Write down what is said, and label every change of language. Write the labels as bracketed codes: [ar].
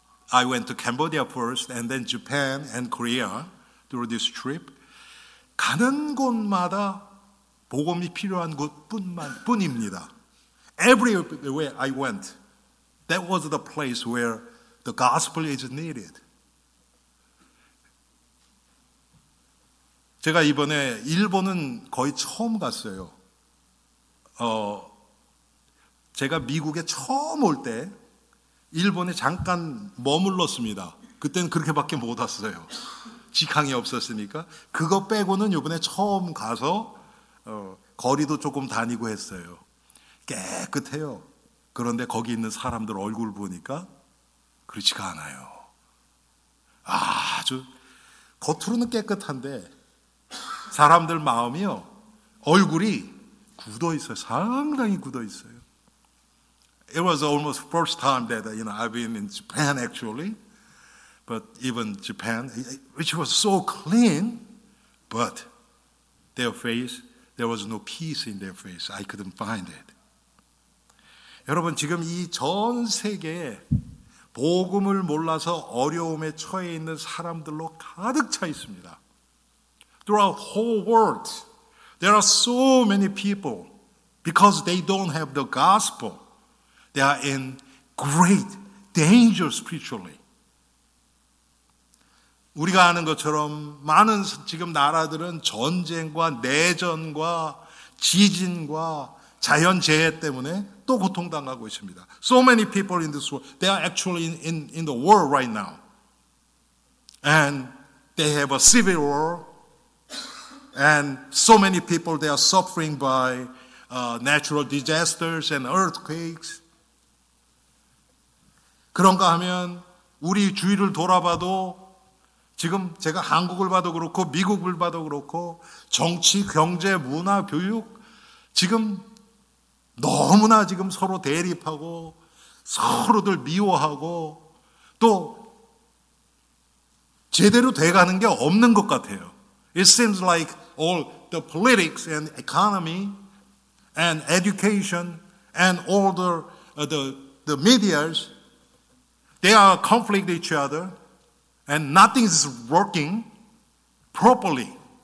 [en] I went to Cambodia first and then Japan and Korea through this trip. [ko] 가는 곳마다 복음이 필요한 곳뿐입니다. [en] Everywhere I went, that was the place where the gospel is needed. [ko] 제가 이번에 일본은 거의 처음 갔어요. 제가 미국에 처음 올 때 일본에 잠깐 머물렀습니다. 그때는 그렇게밖에 못 왔어요. 직항이 없었으니까. 그거 빼고는 이번에 처음 가서 거리도 조금 다니고 했어요. 깨끗해요. 그런데 거기 있는 사람들 얼굴 보니까 그렇지가 않아요. 아주 겉으로는 깨끗한데 사람들 마음이요, 얼굴이 굳어있어요. 상당히 굳어있어요. [en] It was almost first time that you know, I've been in Japan actually. But even Japan, which was so clean, but their face, there was no peace in their face. I couldn't find it. [ko] 여러분, 지금 이 전 세계에 복음을 몰라서 어려움에 처해 있는 사람들로 가득 차 있습니다. [en] Throughout the whole world, there are so many people, because they don't have the gospel, they are in great danger spiritually. [ko] 우리가 아는 것처럼 많은 지금 나라들은 전쟁과 내전과 지진과 자연재해 때문에 또 고통당하고 있습니다. [en] So many people in this world, they are actually in the war right now. And they have a civil war. And so many people, they are suffering by natural disasters and earthquakes. [ko] 그런가 하면 우리 주위를 돌아봐도 지금 제가 한국을 봐도 그렇고 미국을 봐도 그렇고 정치, 경제, 문화, 교육 지금 너무나 지금 서로 대립하고 서로들 미워하고 또 제대로 돼가는 게 없는 것 같아요. [en] It seems like all the politics and economy and education and all the medias, they are conflict each other and nothing is working properly.